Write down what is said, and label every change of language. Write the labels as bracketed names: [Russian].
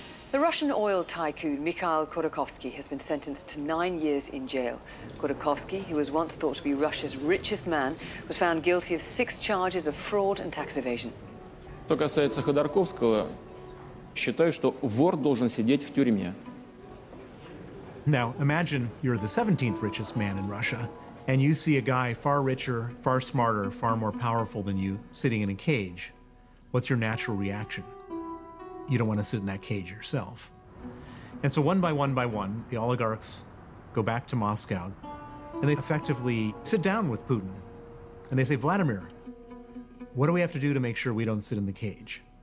[English] The Russian oil tycoon Mikhail Khodorkovsky has been sentenced to 9 years in jail. Khodorkovsky, who was once thought to be Russia's richest man, was found guilty of 6 charges of fraud and tax evasion. [Russian] Что касается Ходорковского, считаю, что вор должен сидеть в тюрьме. [English] Now, imagine you're the 17th richest man in Russia, and you see a guy far richer, far smarter, far more powerful than you sitting in a cage. What's your natural reaction? You don't want to sit in that cage yourself. And so one by one by one, the oligarchs go back to Moscow, and they effectively sit down with Putin, and they say, Vladimir, what do we have to do to make sure we don't sit in the cage?